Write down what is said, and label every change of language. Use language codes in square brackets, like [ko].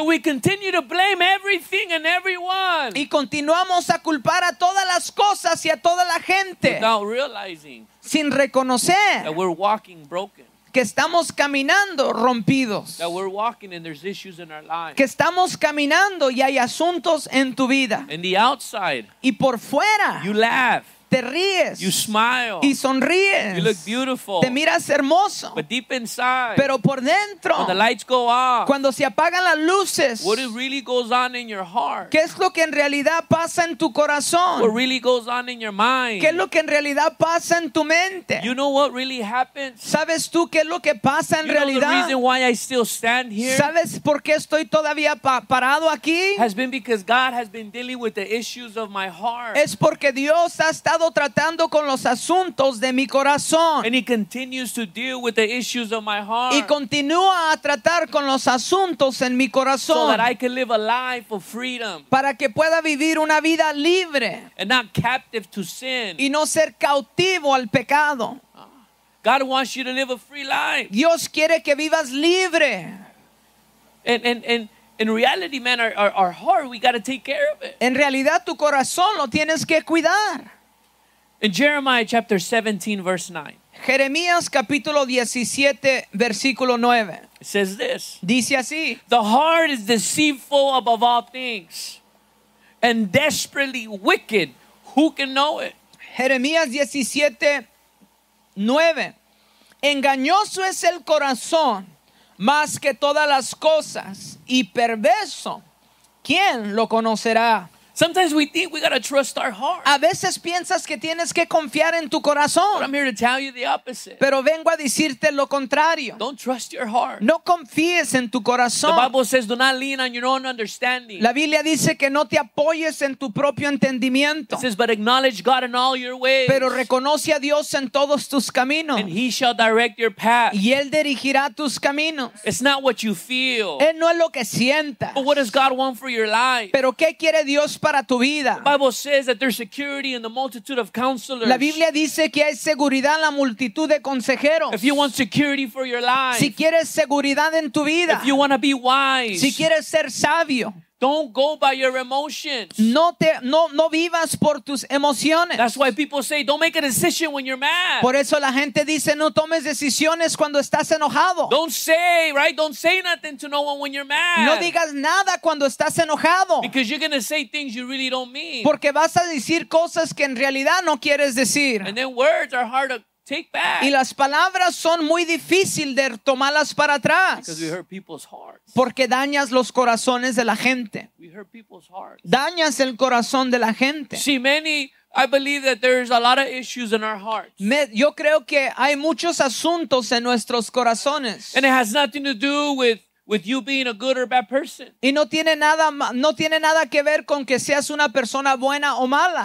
[en] And we continue to blame everything and everyone. [es] Y continuamos a culpar a todas las cosas y a toda la gente. [en] Without realizing. [es] Sin reconocer. [en] That we're walking broken. [es] Que estamos caminando rompidos. [en] That we're walking and there's issues in our lives. [es] Que estamos caminando y hay asuntos en tu vida. [en] In the outside. [es] Y por fuera. [en] You laugh. [es] Te ríes. [en] You smile. [es] Y sonríes. [en] You look beautiful. [es] Te miras hermoso. [en] But deep inside. [es] Pero por dentro. [en] When the lights go off. [es] Cuando se apagan las luces. [en] What really goes on in your heart? [es] ¿Qué es lo que en realidad pasa en tu corazón? [en] What really goes on in your mind? [es] ¿Qué es lo que en realidad pasa en tu mente? [en] You know what really happens? [es] ¿Sabes tú qué es lo que pasa en realidad? [en] You know the reason why I still stand here? [es] ¿Sabes por qué estoy todavía parado aquí? [en] Has been because God has been dealing with the issues of my heart. [es] Es porque Dios ha estado tratando con los asuntos de mi corazón. [en] And he continues to deal with the issues of my heart. [es] Y continúa a tratar con los asuntos en mi corazón. [en] So that I can live a life of freedom. [es] Para que pueda vivir una vida libre. [en] And not captive to sin. [es] Y no ser cautivo al pecado. [en] God wants you to live a free life. [es] Dios quiere que vivas libre. [en] And in reality, man, our heart, we got to take care of it. [es] En realidad, tu corazón lo tienes que cuidar. [en] In Jeremiah chapter 17, verse 9. [es] Jeremías capítulo 17, versículo 9. [en] It says this. [es] Dice así. [en] The heart is deceitful above all things, and desperately wicked. Who can know it? [es] Jeremías 17, 9. Engañoso es el corazón más que todas las cosas, y perverso. ¿Quién lo conocerá? [en] Sometimes we think we gotta trust our heart. [es] A veces piensas que tienes que confiar en tu corazón. [en] But I'm here to tell you the opposite. [es] Pero vengo a decirte lo contrario. [en] Don't trust your heart. [es] No confíes en tu corazón. [en] The Bible says, "Do not lean on your own understanding." [es] La Biblia dice que no te apoyes en tu propio entendimiento. [en] It says, "But acknowledge God in all your ways." [es] Pero reconoce a Dios en todos tus caminos. [en] And He shall direct your path. [es] Y él dirigirá tus caminos. [en] It's not what you feel. [es] Él no es lo que sientas. [en] But what does God want for your life? [es] Pero qué quiere Dios para tu vida. [en] The Bible says that there's security in the multitude of counselors. [es] La Biblia dice que hay seguridad en la multitud de consejeros. [en] If you want security for your life. [es] Si quieres seguridad en tu vida. [en] If you want to be wise. [es] Si quieres ser sabio. [en] Don't go by your emotions. [es] No vivas por tus emociones. [en] That's why people say, don't make a decision when you're mad. [es] Por eso la gente dice, no tomes decisiones cuando estás enojado. [en] Don't say nothing to no one when you're mad. [es] No digas nada cuando estás enojado. [en] Because you're going to say things you really don't mean. [es] Porque vas a decir cosas que en realidad no quieres decir. [en] And then words are hard to take back. [es] Y las palabras son muy difícil de tomarlas para atrás. [en] Because we hurt people's hearts. [es] Porque dañas los corazones de la gente. [en] We hurt people's hearts. [es] Dañas el corazón de la gente. [en] See, many, I believe that there's a lot of issues in our hearts. [es] Yo creo que hay muchos asuntos en nuestros corazones. [en] And it has nothing to do with you being a good or bad person. [es] Y no tiene nada que ver con que seas una persona buena o mala.